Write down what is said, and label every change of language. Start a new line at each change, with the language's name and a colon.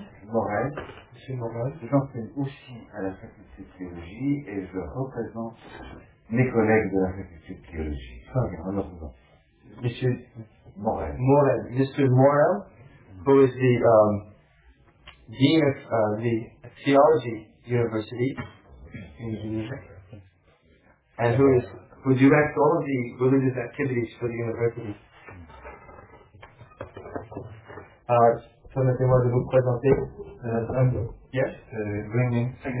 French: Morel, j'enseigne aussi à la faculté de théologie et je représente mes collègues de la faculté de théologie. Monsieur Morel.
English: Mr. Morel, who is the dean of the theology university in Geneva, and who directs all of the religious activities for the university.
French: Permettez-moi de vous présenter est-ce que M.